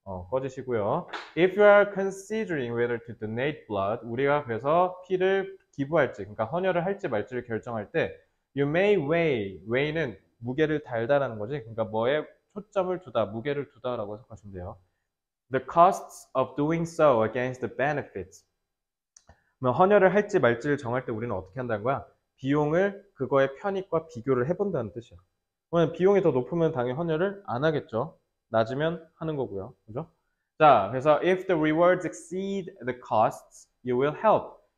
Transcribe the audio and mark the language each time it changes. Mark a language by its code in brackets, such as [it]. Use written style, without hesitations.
[ko] 꺼지시고요. [en] If you are considering whether to donate blood, [ko] 우리가 그래서 피를 기부할지, 그러니까 헌혈을 할지 말지를 결정할 때, [en] you may weigh. [ko] weigh는 무게를 달다라는 거지. 그러니까 뭐에 초점을 두다, 무게를 두다라고 해석하시면 돼요. [en] The costs of doing so against the benefits. [ko] 그럼 헌혈을 할지 말지를 정할 때 우리는 어떻게 한다는 거야? 비용을 그거의 편익과 비교를 해본다는 뜻이야. 그러면 비용이 더 높으면 당연히 헌혈을 안 하겠죠. 낮으면 하는 거고요. 그죠? 자, 그래서 [en] if the rewards exceed the costs, you will help.